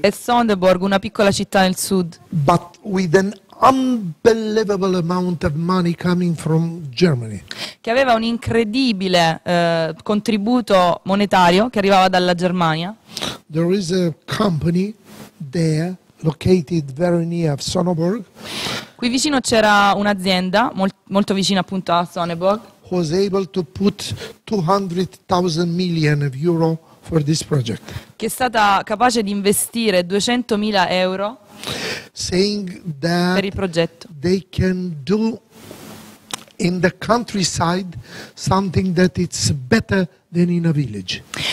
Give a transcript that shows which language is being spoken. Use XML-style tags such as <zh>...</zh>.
<it>E Sonderborg, una piccola città nel sud.</it> <en>But with an unbelievable amount of money coming from Germany.</en> <it>Che aveva un incredibile contributo monetario che arrivava dalla Germania.</it> <en>There is a company there located very near of Sonderborg.</en> <it>Qui vicino c'era un'azienda molto vicina appunto a Sonderborg.</it> <en>Was able to put 200,000 million of euro. For this project.</en> <it>Che è stata capace di investire 200.000 euro</it> <en>saying that</en> <it>per il progetto.</it> <en>They can do in the countryside something that it's better than in a village.</en>